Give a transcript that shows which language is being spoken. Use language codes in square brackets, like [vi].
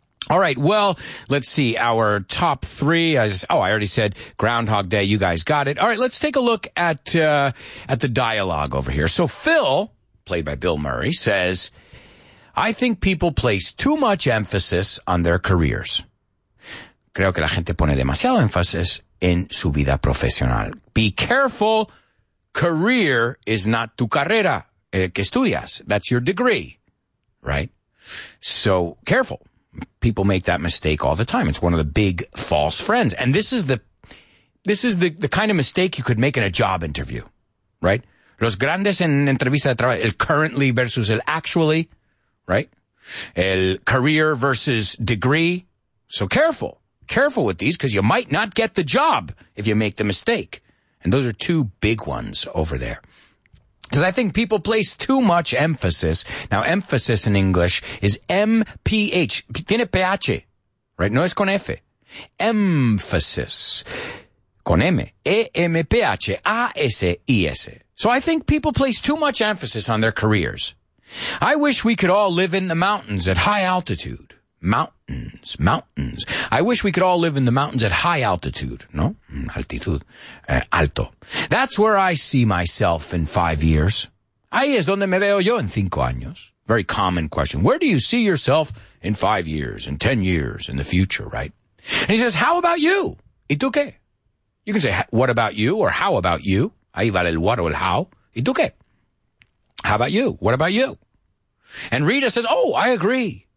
[en] All right, well, let's see, our top three, I already said Groundhog Day, you guys got it. All right, let's take a look at the dialogue over here. So Phil, played by Bill Murray, says, I think people place too much emphasis on their careers. [es] Creo que la gente pone demasiado énfasis en su vida profesional. [en] Be careful. Career is not [es] tu carrera que estudias. [en] That's your degree, right? So careful. People make that mistake all the time. It's one of the big false friends. And this is the kind of mistake you could make in a job interview, right? [es] Los grandes en entrevista de trabajo, el currently versus el actually, [en] right? El career versus degree. So careful. Careful with these because you might not get the job if you make the mistake. And those are two big ones over there. Because I think people place too much emphasis. Now, emphasis in English is M-P-H. [es] Tiene P-H, [en] right? [es] No es con F. [en] Emphasis. [es] Con M. [en] E-M-P-H-A-S-I-S. So I think people place too much emphasis on their careers. I wish we could all live in the mountains at high altitude. Mountains. I wish we could all live in the mountains at high altitude. [es] No? Altitud. Alto. [en] That's where I see myself in 5 years. [es] Ahí es donde me veo yo en 5 años. [en] Very common question. Where do you see yourself in 5 years, in 10 years, in the future, right? And he says, how about you? [es] ¿Y tú qué? [en] You can say, what about you or how about you? [es] Ahí vale el what o el how. ¿Y tú qué? [en] How about you? What about you? And Rita says, oh, I agree.